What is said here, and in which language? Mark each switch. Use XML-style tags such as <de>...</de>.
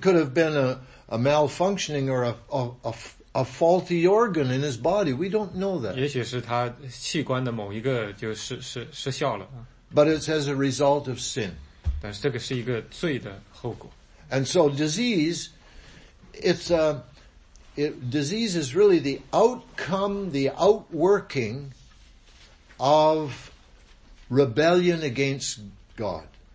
<en>could have been a malfunctioning or a faulty organ in his body. We don't know that.</en> <zh>也许是他器官的某一个就失效了。</zh> <en>But it's as a result of sin.</en> <zh>但是这个是一个罪的后果。</zh> <en>And so disease, disease is really the outcome, the outworking of rebellion against God.</en>